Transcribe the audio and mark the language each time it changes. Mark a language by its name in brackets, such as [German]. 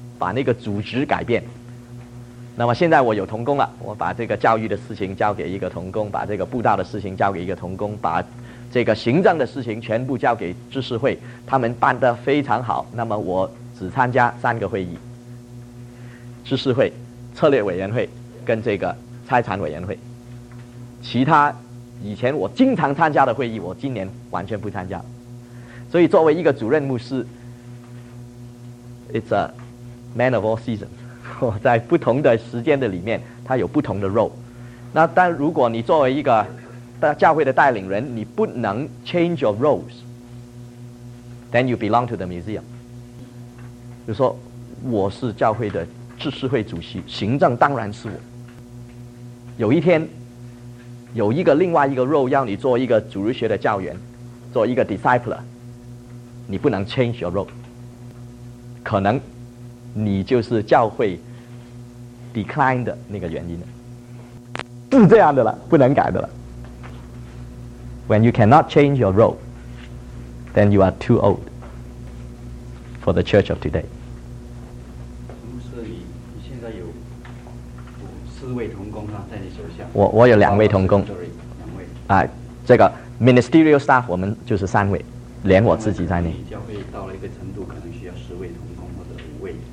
[Chinese] 把那个组织改变。那么现在我有同工了，我把这个教育的事情交给一个同工，把这个布道的事情交给一个同工，把这个行政的事情全部交给知识会，他们办得非常好。那么我只参加三个会议：知识会、策略委员会跟这个财产委员会。其他以前我经常参加的会议，我今年完全不参加。所以作为一个主任牧师 ， [English] It's a man of all seasons。 [Chinese] 我在不同的时间的里面，他有不同的 role。那但如果你作为一个教会的带领人，你不能 [English] change your roles， then you belong to the museum。 [Chinese] 比如说，我是教会的知识会主席，行政当然是我。有一天，有一个另外一个 role 要你做一个主日学的教员，做一个 discipler， 你不能 [English] change your role。 [Chinese] 可能你就是教会 decline 的那个原因了，是这样的了，不能改的了。 [English] When you cannot change your role, then you are too old for the church of today. [Chinese] 牧师，你现在有四位同工啊，在你手下。我有两位同工。两位。啊，这个 ministerial staff 我们就是三位，连我自己在内。教会到了一个程度，可能需要十位同工或者五位。